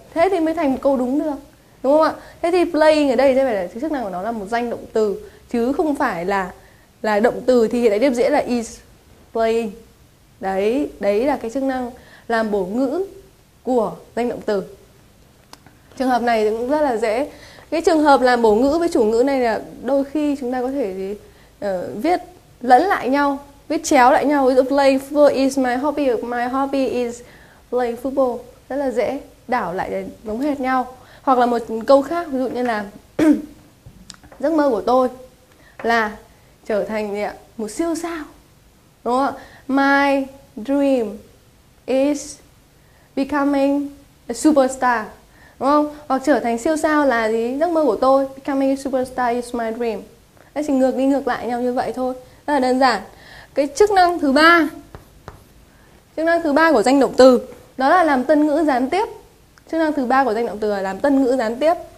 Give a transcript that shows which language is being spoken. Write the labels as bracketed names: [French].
[Vietnamese] Thế thì mới thành một câu đúng được, đúng không ạ? Thế thì playing ở đây sẽ phải là chức năng của nó là một danh động từ, chứ không phải là động từ thì hiện tại tiếp diễn là is playing. Đấy, đấy là cái chức năng làm bổ ngữ của danh động từ. Trường hợp này cũng rất là dễ. Cái trường hợp làm bổ ngữ với chủ ngữ này là đôi khi chúng ta có thể gì, viết lẫn lại nhau, viết chéo lại nhau. Ví dụ [English] playing football is my hobby, my hobby is playing football. [Vietnamese] Rất là dễ đảo lại giống hệt nhau. Hoặc là một câu khác, ví dụ như là giấc mơ của tôi là trở thành gì ạ? Một siêu sao. Đúng không ạ? [English] My dream is becoming a superstar. [Vietnamese] Đúng không? Hoặc trở thành siêu sao là gì? Giấc mơ của tôi, [English] becoming a superstar is my dream. [Vietnamese] Đấy, chỉ ngược đi ngược lại nhau như vậy thôi. Rất là đơn giản. Cái chức năng thứ ba, chức năng thứ ba của danh động từ, đó là làm tân ngữ gián tiếp. Chức năng thứ ba của danh động từ là làm tân ngữ gián tiếp.